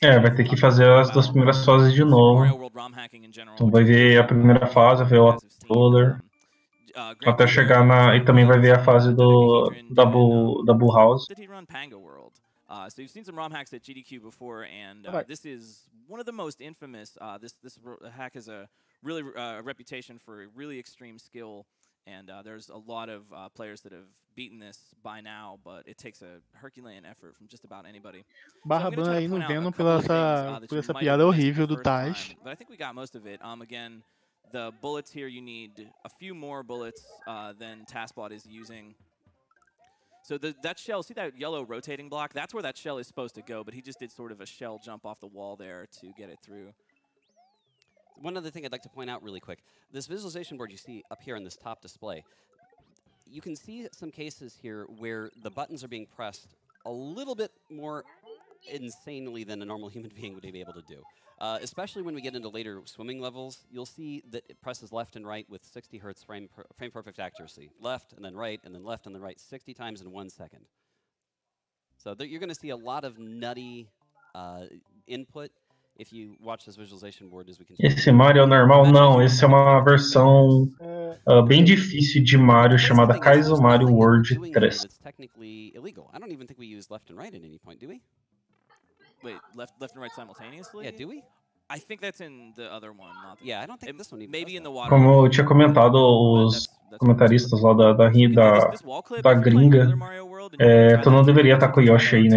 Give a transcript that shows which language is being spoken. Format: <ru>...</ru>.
<pt>É, vai ter que fazer as duas primeiras fases de novo. Então vai ver a primeira fase, ver o controller, até chegar na e também vai ver a fase do double house.</pt> <en>Did he run Pango World? So you've seen some ROM hacks at GDQ before, and this is one of the most infamous. This hack has a really reputation for really extreme skill. And there's a lot of players that have beaten this by now, but it takes a Herculean effort from just about anybody.</en> <pt>Barra ban aí no Venom pela essa piada horrível do Taz.</pt> <en>But I think we got most of it. Again, the bullets here, you need a few more bullets than TASBot is using. So that shell, see that yellow rotating block? That's where that shell is supposed to go, but he just did sort of a shell jump off the wall there to get it through. One other thing I'd like to point out really quick. This visualization board you see up here in this top display, you can see some cases here where the buttons are being pressed a little bit more insanely than a normal human being would be able to do. Especially when we get into later swimming levels, you'll see that it presses left and right with 60 hertz frame perfect accuracy. Left and then right and then left and then right 60 times in 1 second. So you're going to see a lot of nutty input. If you watch this visualization board as we can...</en> <pt>Esse Mario normal? Não, esse é uma versão bem difícil de Mario chamada Kaizo Mario World 3.</pt> <en>It's technically illegal. I don't even think we use left and right at any point, do we? Wait, left and right simultaneously? Yeah, do we? I think that's in the other one, not the... Yeah, I don't think this one maybe in the water.</en> <pt>Como eu tinha comentado, os comentaristas lá da gringa, tu não deveria estar com o Yoshi aí, né?</pt>